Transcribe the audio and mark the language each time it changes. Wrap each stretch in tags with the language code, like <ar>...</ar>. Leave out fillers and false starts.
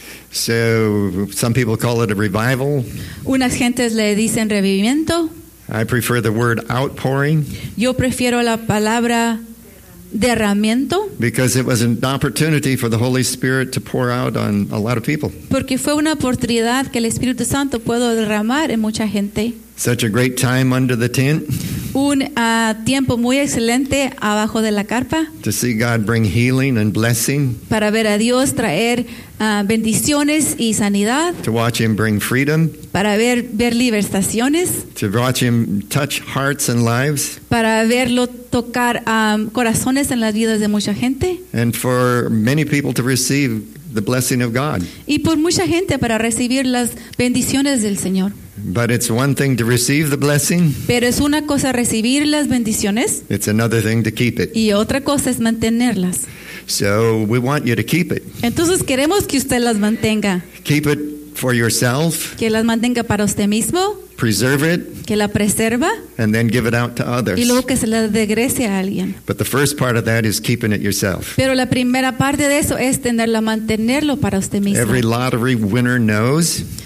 <en>So some people call it a revival.</en> <es>Unas gentes le dicen revivimiento.</es> <en>I prefer the word outpouring.</en> <es>Yo prefiero la palabra derramamiento.</es> <en>Because it was an opportunity for the Holy Spirit to pour out on a lot of people.</en> <es>Porque fue una oportunidad que el Espíritu Santo pudo derramar en mucha gente.</es> <en>Such a great time under the tent.</en> <es>Un tiempo muy excelente abajo de la carpa.</es> <en>To see God bring healing and blessing.</en> <es>Para ver a Dios traer bendiciones y sanidad.</es> <en>To watch Him bring freedom.</en> <es>Para ver libertaciones.</es> <en>To watch Him touch hearts and lives.</en> <es>Para verlo tocar corazones en las vidas de mucha gente.</es> <en>And for many people to receive the blessing of God.</en> <es>Y por mucha gente para recibir las bendiciones del Señor.</es> <en>But it's one thing to receive the blessing.</en> <es>Pero es una cosa recibir las bendiciones.</es> <en>It's another thing to keep it.</en> <es>Y otra cosa es mantenerlas.</es> <en>So we want you to keep it.</en> <es>Entonces queremos que usted las mantenga.</es> <en>Keep it for yourself.</en> <es>Que las mantenga para usted mismo.</es> <en>Preserve it.</en> <es>Que la preserva.</es> <en>And then give it out to others.</en> <es>Y luego que se la regrese a alguien.</es> <en>But the first part of that is keeping it yourself.</en> <es>Pero la primera parte de eso es tenerla, mantenerlo para usted mismo.</es> <en>Every lottery winner knows.</en>